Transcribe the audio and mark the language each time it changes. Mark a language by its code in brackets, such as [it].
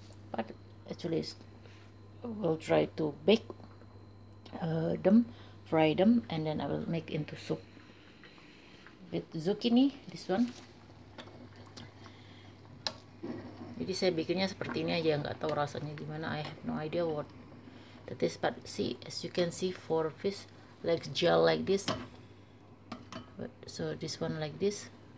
[en] But actually, we'll try to bake them, fry them, and then I will make into soup with zucchini. This one. [id] Jadi saya bikinnya seperti ini aja, nggak tahu rasanya gimana. [en] I have no idea what. This part, see, as you can see, four fish like gel like this, but so this one like this.